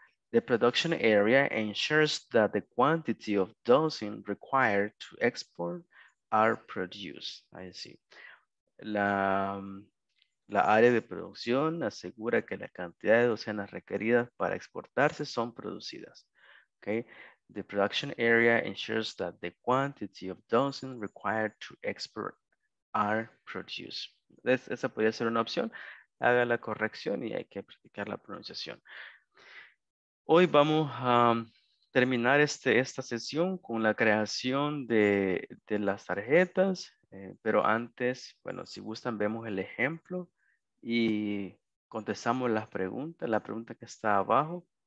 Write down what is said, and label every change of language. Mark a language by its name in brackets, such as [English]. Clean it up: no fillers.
[English] The production area ensures that the quantity of dozen required to export are produced. [Spanish] Ahí sí. La área de producción asegura que la cantidad de docenas requeridas para exportarse son producidas. [English] Okay. The production area ensures that the quantity of dozen required to export are produced. [Spanish] Esa podría ser una opción. Haga la corrección y hay que practicar la pronunciación. Hoy vamos a terminar esta sesión con la creación de las tarjetas. Pero antes, bueno, si gustan, vemos el ejemplo y contestamos las preguntas, la pregunta que está abajo.